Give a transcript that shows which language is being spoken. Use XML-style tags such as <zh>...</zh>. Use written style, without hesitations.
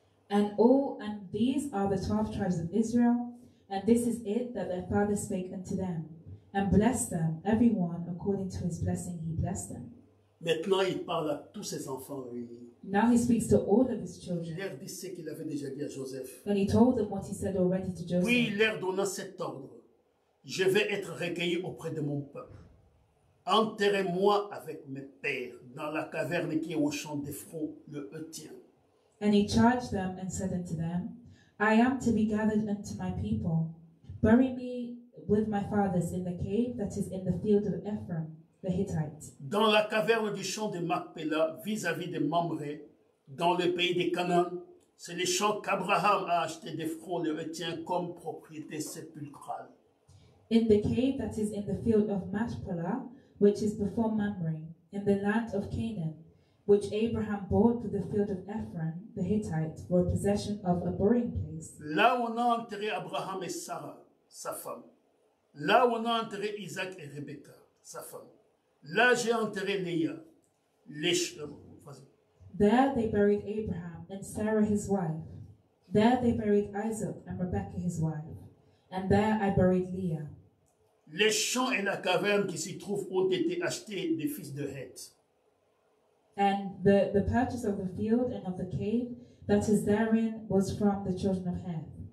<en>And these are the 12 tribes of Israel, and this is it that their father spake unto them, and blessed them, every one according to his blessing he blessed them.</en> <fr>Maintenant il parle à tous ses enfants réunis.</fr> <en>Now he speaks to all of his children.</en> <fr>Il leur dit ce qu'il avait déjà dit à Joseph.</fr> <en>And he told them what he said already to Joseph.</en> <fr>Oui, il leur donna cet ordre. Je vais être recueilli auprès de mon peuple. Enterrez-moi avec mes pères dans la caverne qui est au champ d'Ephron, le Hétien.</fr> <en>And he charged them and said unto them, I am to be gathered unto my people. Bury me with my fathers in the cave that is in the field of Ephron, the Hittite.</en> <fr>Dans la caverne du champ de Macpéla, vis-à-vis de Mamré, dans le pays de Canaan, c'est le champ qu'Abraham a acheté d'Ephron, le Hétien, comme propriété sépulcrale.</fr> <en>In the cave that is in the field of Machpelah, which is before Mamre, in the land of Canaan, which Abraham bought for the field of Ephron, the Hittite, for possession of a burying place.</en> <fr>Là on a enterré Abraham et Sarah, sa femme. Là on a enterré Isaac et Rebecca, sa femme. Là j'ai enterré Léa, les chevaux.</fr> <en>There they buried Abraham and Sarah his wife. There they buried Isaac and Rebekah his wife. And there I buried Leah.</en> <fr>Les champs et la caverne qui s'y trouvent ont été achetés des fils de Heth.</fr> <en>And the purchase of the field and of the cave that is therein was from the children of Heth.</en>